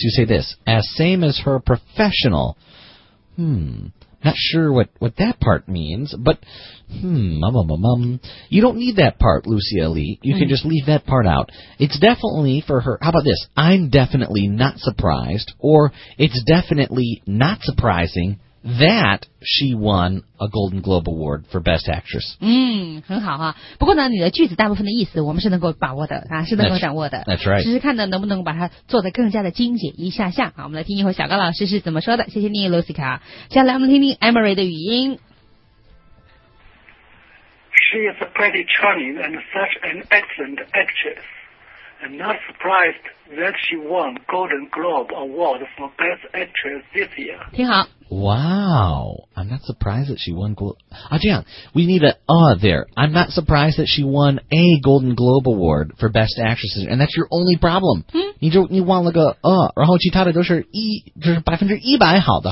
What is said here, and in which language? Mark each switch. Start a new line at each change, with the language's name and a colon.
English: You say this, as same as her professional. Not sure what that part means, but you don't need that part, Lucia Lee. You can just leave that part out. It's definitely for her. How about this? I'm definitely not surprised, or it's definitely not surprising that she won a Golden Globe Award for Best Actress.
Chinese: 很好啊。不过呢，你的句子大部分的意思我们是能够把握的啊，是能够掌握的。
English: That's right.
Chinese: 试试看呢，能不能把它做得更加的精简一下下。好，我们来听一会小高老师是怎么说的。谢谢你 ，Lucica。接下来我们听听 Emery 的语音。
English: She is pretty charming and such an excellent actress. I'm not surprised that she won Golden Globe Award for Best Actress this year.
Chinese: 听好。
English: Wow. I'm not surprised that she won Golden... Ah, 这样 we need a there. I'm not surprised that she won a Golden Globe Award for Best Actresses, and that's your only problem.
Chinese: 你忘了个然后其他的都是就是百分之一百好的。